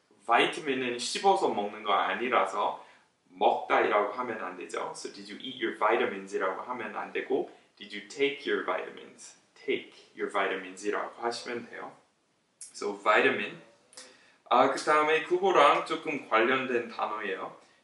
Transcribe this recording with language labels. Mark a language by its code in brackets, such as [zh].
[ko] 비타민은 씹어서 먹는 거 아니라서 먹다이라고 하면 안 되죠. [en] So did you eat your vitamins [ko] 이라고 하면 안 되고 [en] did you take your vitamins? Take your vitamins [ko] 이라고 하시면 돼요. So 비타민 그 다음에 그거랑 조금 관련된 단어예요.